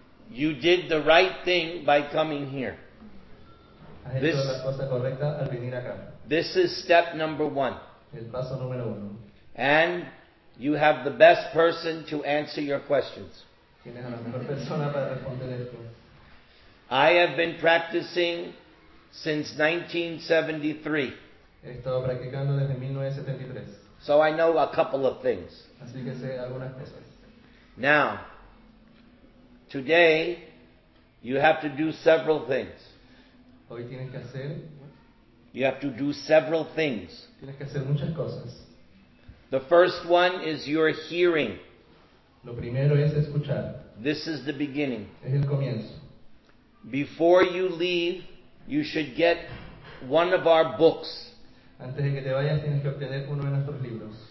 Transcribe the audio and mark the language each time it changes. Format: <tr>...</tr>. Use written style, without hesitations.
<en>You did the right thing by coming here. This,</en> <es>la cosa correcta al venir acá.</es> <en>This is step number one.</en> <es>El paso número uno.</es> <en>And you have the best person to answer your questions.</en> <es>Tienes a la mejor persona para responder esto.</es> <en>I have been practicing since 1973.</en> <es>He estado practicando desde 1973.</es> <en>So I know a couple of things.</en> <es>Así que sé algunas cosas.</es> <en>Now, today, you have to do several things.</en> <es>Hoy tienes que hacer...</es> <en>You have to do several things.</en> <es>Tienes que hacer muchas cosas.</es> <en>The first one is your hearing.</en> <es>Lo primero es escuchar.</es> <en>This is the beginning.</en> <es>Es el comienzo.</es> <en>Before you leave, you should get one of our books.</en> <es>Antes de que te vayas, tienes que obtener uno de nuestros libros.</es>